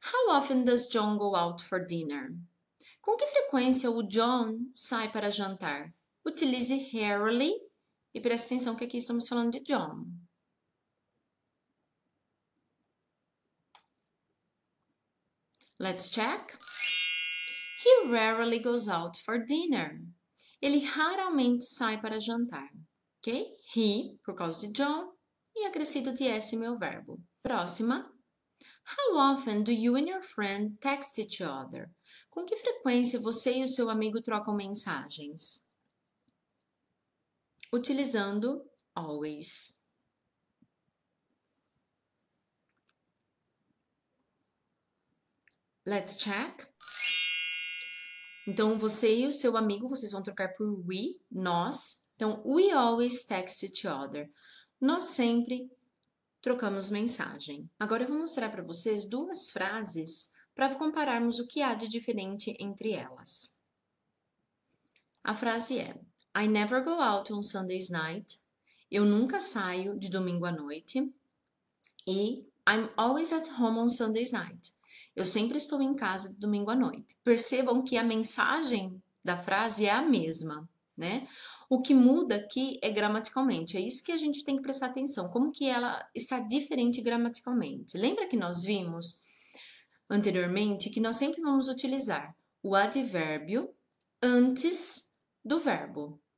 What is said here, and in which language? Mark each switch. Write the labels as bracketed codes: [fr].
[en] How often does John go out for dinner? [pt] Com que frequência o John sai para jantar? Utilize rarely e preste atenção que aqui estamos falando de John. [en] Let's check. He rarely goes out for dinner. [pt] Ele raramente sai para jantar. Ok? He, por causa de John, e acrescido de S, meu verbo. Próxima. [en] How often do you and your friend text each other? [pt] Com que frequência você e o seu amigo trocam mensagens? Utilizando always. [en] Let's check. [pt] Então, você e o seu amigo, vocês vão trocar por we, nós. [en] Então, we always text each other. [pt] Nós sempre trocamos mensagem. Agora, eu vou mostrar para vocês duas frases para compararmos o que há de diferente entre elas. A frase é: [en] I never go out on Sunday's night. [pt] Eu nunca saio de domingo à noite. [en] E I'm always at home on Sunday's night. [pt] Eu sempre estou em casa de domingo à noite. Percebam que a mensagem da frase é a mesma, né? O que muda aqui é gramaticalmente. É isso que a gente tem que prestar atenção. Como que ela está diferente gramaticalmente? Lembra que nós vimos anteriormente que nós sempre vamos utilizar o advérbio antes do verbo.